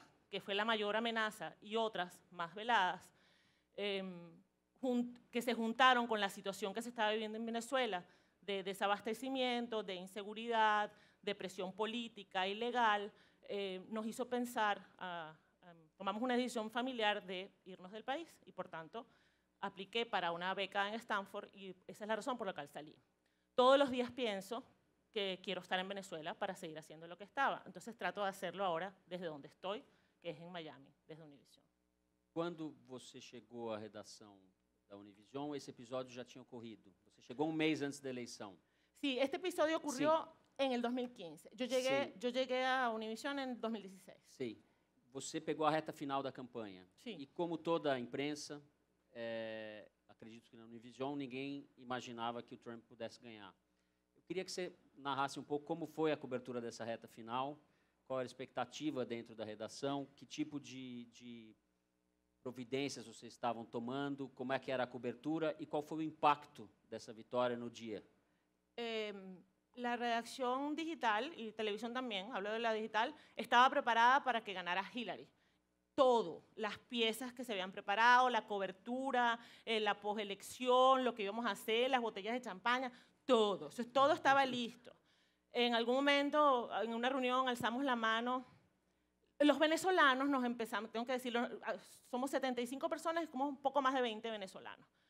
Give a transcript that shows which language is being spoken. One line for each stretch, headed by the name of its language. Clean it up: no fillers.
Spanish: Que fue la mayor amenaza, y otras más veladas, que se juntaron con la situación que se estaba viviendo en Venezuela, de desabastecimiento, de inseguridad, de presión política y legal, nos hizo pensar, tomamos una decisión familiar de irnos del país, y por tanto, apliqué para una beca en Stanford, y esa es la razón por la cual salí. Todos los días pienso que quiero estar en Venezuela para seguir haciendo lo que estaba, entonces trato de hacerlo ahora desde donde estoy, que es en Miami, desde Univision.
Portuguese: Cuando você chegou à redação da Univision, esse episódio já tinha ocorrido. Você chegou 1 mês antes da eleição.
Spanish: Sí, este episodio ocurrió en el 2015. Yo llegué a Univision en 2016. Sí.
Portuguese: Você pegou a reta final da campanha.
Spanish: Sí.
Portuguese: E como toda a imprensa, acredito que na Univision ninguém imaginava que o Trump pudesse ganhar. Eu queria que você narrasse um pouco como foi a cobertura dessa reta final. Qual era a expectativa dentro da redação? Que tipo de providências vocês estavam tomando? Como é que era a cobertura? E qual foi o impacto dessa vitória no dia? A redação digital, e a televisão também, falando da digital, estava preparada para que ganara Hillary.
Spanish: Todo, las piezas que se habían preparado, la cobertura, la pós-elección, lo que íbamos a hacer, las botellas de champaña, todo. Entonces, todo estaba listo. En algún momento, en una reunión, alzamos la mano. Los venezolanos nos empezamos, tengo que decirlo, somos 75 personas y como un poco más de 20 venezolanos.